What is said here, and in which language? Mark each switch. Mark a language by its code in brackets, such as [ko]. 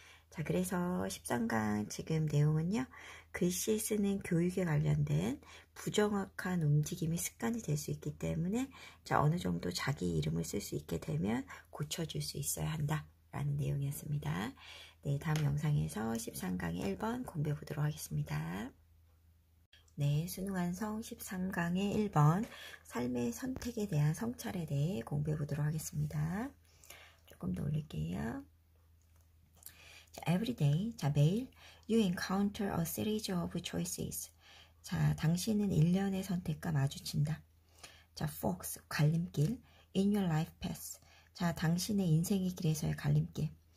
[ko] 자, 그래서 13강 지금 내용은요, 글씨 쓰는 교육에 관련된 부정확한 움직임이 습관이 될 수 있기 때문에 자, 어느 정도 자기 이름을 쓸 수 있게 되면 고쳐줄 수 있어야 한다라는 내용이었습니다. 네, 다음 영상에서 13강의 1번 공부해 보도록 하겠습니다. 네, 수능 완성 13강의 1번 삶의 선택에 대한 성찰에 대해 공부해 보도록 하겠습니다. 조금 더 올릴게요. [en] Every day, [ko] 자, 매일, [en] you encounter a series of choices. [ko] 자, 당신은 일련의 선택과 마주친다. [en] 자, forks, [ko] 갈림길, [en] in your life path. [ko] 자, 당신의 인생의 길에서의 갈림길.